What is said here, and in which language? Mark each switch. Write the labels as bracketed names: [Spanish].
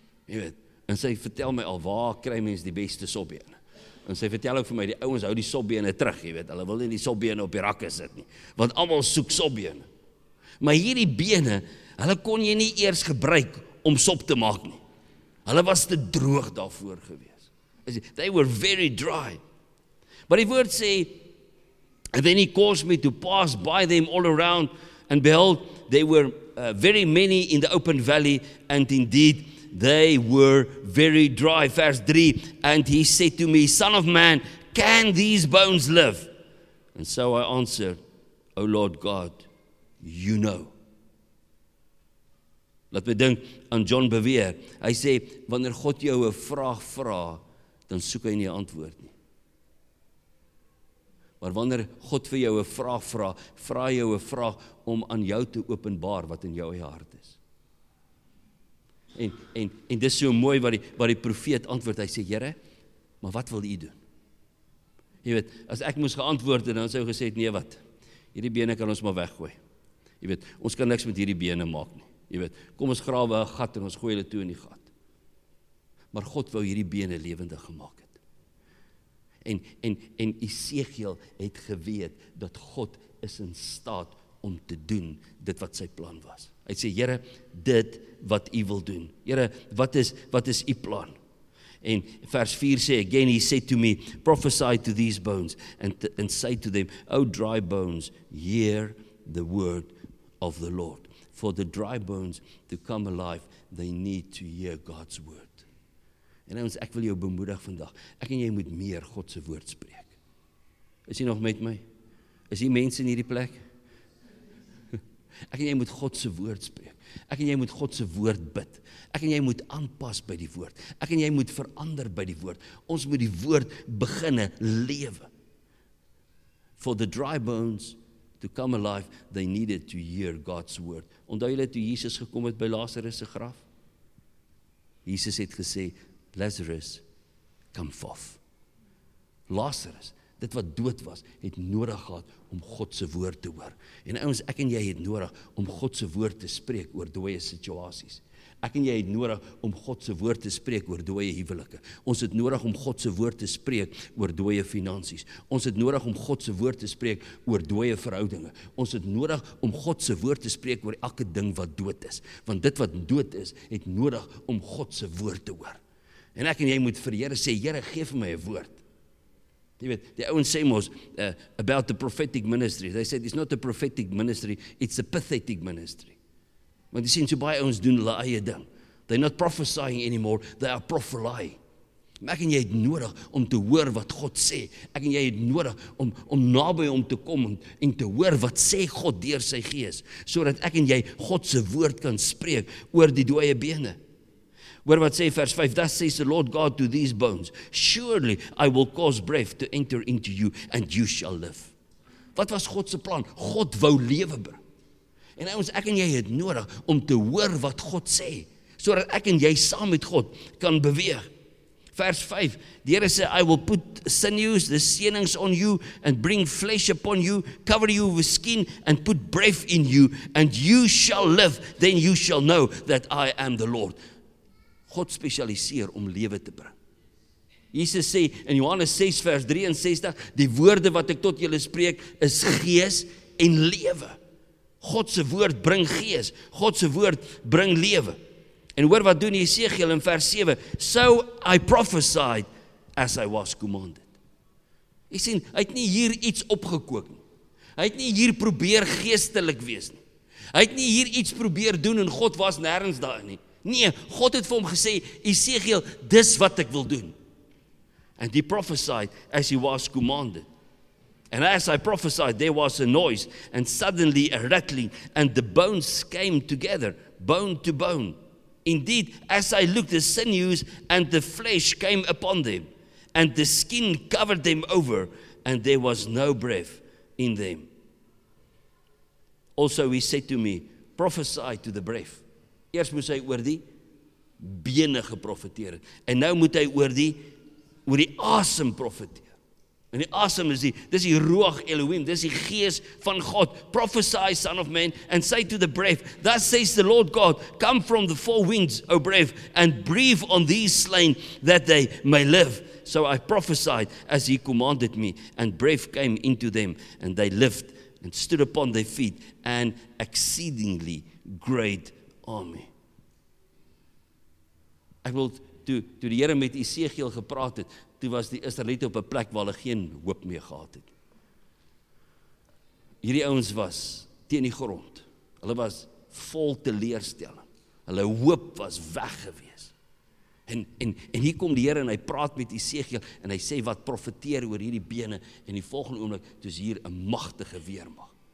[Afrikaans] Jy weet, en sy vertel my al waar kry mens die beste sopbene. En sy vertel ook vir my, die ouens hou die sopbene terug, jy weet, hulle wil nie die sopbene op die rakke sit nie. Want almal soek sopbene. Maar hierdie bene, hulle kon jy nie eers gebruik om sop te maak nie. Hulle was te droog daarvoor gewees. [English] They were very dry. [Afrikaans] Maar die woord sê, [English] and then he caused me to pass by them all around, and behold, they were very many in the open valley, and indeed, they were very dry. [Afrikaans] Vers 3, [English] and he said to me, son of man, can these bones live? And so I answered, O Lord God, you know. [Afrikaans] Laat my dink aan John Bevere. Hy sê, wanneer God jou 'n vraag vra, dan soek hy nie 'n antwoord nie. Maar wanneer God vir jou 'n vraag vra, vra hy jou 'n vraag om aan jou te openbaar wat in jou eie hart is. En dis so mooi wat die profeet antwoord. Hy sê, Here, maar wat wil U doen? Jy weet, as ek moes geantwoord het, dan sou gesê het, nee wat, hierdie bene kan ons maar weggooi. Jy weet, ons kan niks met hierdie bene maak nie. Jy weet, kom ons grawe 'n gat en ons gooi hulle toe in die gat. Maar God wou hierdie bene lewendig gemaak het. En Esegiel het geweet dat God is in staat om te doen dit wat sy plan was. Hy sê, Here, dit wat u wil doen. Here, wat is u plan? En vers 4 sê, [English] again he said to me, prophesy to these bones and say to them, O dry bones, hear the word of the Lord. For the dry bones to come alive, they need to hear God's word. [Afrikaans] En ons, ek wil jou bemoedig vandag. Ek en jy moet meer God se woord spreek. Is jy nog met my? Is hier mense in hierdie plek? Ek en jy moet God se woord spreek. Ek en jy moet God se woord bid. Ek en jy moet aanpas by die woord. Ek en jy moet verander by die woord. Ons moet die woord beginne lewe. [English] For the dry bones to come alive, they needed to hear God's word. [Afrikaans] Onthou julle toe Jesus gekom het by Lazarus se graf? Jesus het gesê, Lazarus, [English] come forth. [Afrikaans] Lazarus, dit wat dood was, het nodig gehad om God se woord te hoor. En ouens, ek en jy het nodig om God se woord te spreek oor dooie situasies. Ek en jy het nodig om God se woord te spreek oor dooie huwelike. Ons het nodig om God se woord te spreek oor dooie finansies. Ons het nodig om God se woord te spreek oor dooie verhoudinge. Ons het nodig om God se woord te spreek oor elke ding wat dood is. Want dit wat dood is, het nodig om God se woord te hoor. En ek en jy moet vir die Here sê, Here, gee vir my 'n woord. Jy weet, die ouens sê mos [English] about the prophetic ministry. They said it's not a prophetic ministry, it's a pathetic ministry. [Afrikaans] Want die sien so baie ouens doen hulle eie ding. [English] They're not prophesying anymore, they are prophelying. [Afrikaans] Ek en jy het nodig om te hoor wat God sê. Ek en jy het nodig om naby om te kom en te hoor wat sê God deur sy gees, sodat ek en jy God se woord kan spreek oor die dooie bene. Hoor wat sê vers 5, [English] thus says the Lord God to these bones, surely I will cause breath to enter into you and you shall live. [Afrikaans] Wat was God se plan? God wou lewe bring. En ons, ek en jy het nodig om te hoor wat God sê, sodat ek en jy saam met God kan beweeg. Vers 5, die Here sê, [English] I will put sinews, the senings on you and bring flesh upon you, cover you with skin and put breath in you and you shall live, then you shall know that I am the Lord. [Afrikaans] God spesialiseer om lewe te bring. Jesus sê in Johannes 6 vers 63, die woorde wat ek tot julle spreek is gees en lewe. God se woord bring gees, God se woord bring lewe. En hoor wat doen Esegiel in vers 7, [English] so I prophesied as I was commanded. [Afrikaans] Jy sien, hy het nie hier iets opgekook nie. Hy het nie hier probeer geestelik wees nie. Hy het nie hier iets probeer doen en God was nêrens daarin nie. Nee, God het vir hom gesê, Esegiel, dis wat ek wil doen. [English] And he prophesied as he was commanded. And as I prophesied, there was a noise, and suddenly a rattling, and the bones came together, bone to bone. Indeed, as I looked, the sinews and the flesh came upon them, and the skin covered them over, and there was no breath in them. Also he said to me, prophesy to the breath. [Afrikaans] Eers moes hy oor die bene geprofeteer het. En nou moet hy oor die asem profeteer. En die asem is dis die ruach Elohim, dis die gees van God. [English] Prophesy, son of man, and say to the breath, thus says the Lord God, come from the four winds, O breath, and breathe on these slain, that they may live. So I prophesied as he commanded me, and breath came into them, and they lived, and stood upon their feet, an exceedingly great Amen. [Afrikaans] Ek wil, toe die Here met Esegiel gepraat het, toe was die Israeliete op 'n plek waar hulle geen hoop meer gehad het. Hierdie ouens was teen die grond. Hulle was vol teleurstelling. Hulle hoop was weg gewees. En hier kom die Here en hy praat met Esegiel en hy sê wat profeteer oor hierdie bene en die volgende oomblik toe is hier 'n magtige weermag.